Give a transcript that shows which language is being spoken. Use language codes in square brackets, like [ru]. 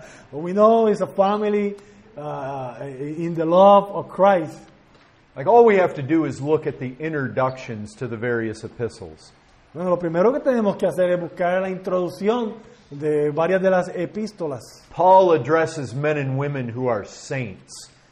[en] What we know is a family in the love of Christ. Like, all we have to do is look at the introductions to the various epistles. [es] Bueno, lo primero que tenemos que hacer es buscar la introducción de varias de las epístolas. [en] Paul addresses men and women who are saints.